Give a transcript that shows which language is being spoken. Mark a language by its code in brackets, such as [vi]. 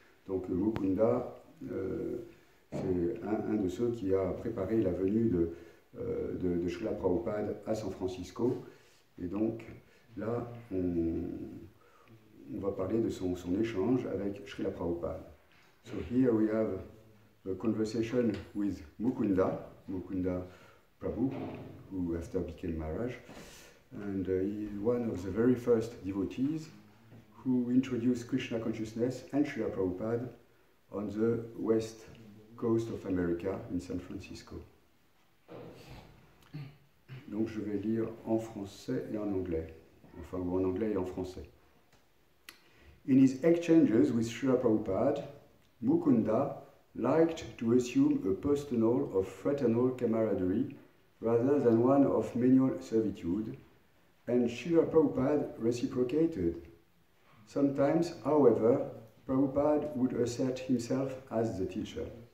[fr] Donc Mukunda, c'est un de ceux qui a préparé la venue de Srila Prabhupada à San Francisco. Et donc, là, on va parler de son échange avec Srila Prabhupada. [en] So here we have a conversation with Mukunda Prabhu, who after became Maharaj. And he is one of the very first devotees who introduced Krishna consciousness and Srila Prabhupada on the west coast of America in San Francisco. [fr] Donc je vais lire en français et en anglais, enfin ou en anglais et en français. [en] In his exchanges with Srila Prabhupada, Mukunda liked to assume a personal of fraternal camaraderie rather than one of menial servitude, and Srila Prabhupada reciprocated. Sometimes, however, Prabhupada would assert himself as the teacher.